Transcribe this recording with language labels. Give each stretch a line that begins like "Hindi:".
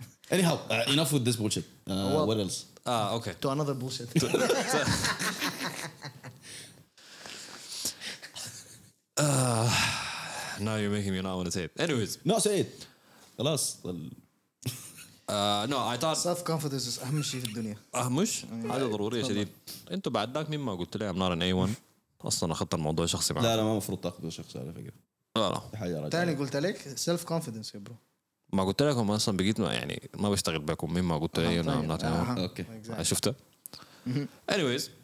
English: Anyhow, enough with this bullshit. Well, what else? Okay. To another bullshit. No, you're making me not want to say it. Anyways. No, say it. Alas. No, I thought...
Arabic: Self-confidence is أهم شيء في الدنيا. أهم شيء؟ هذا ضروري شديد. أنتو بعد ذاك مما قلت لي I'm not an A1. أصلاً أخذت الموضوع شخصي معك. لا لا ما مفروض تأخذه شخصي على فكرة. لا لا. تاني قلت لك self-confidence يا برو. ما قلت لكم أصلاً بقيت ما يعني ما بشتغل بكم مما قلت لي أنا I'm not an A1. أوكي. شفته؟ Anyways.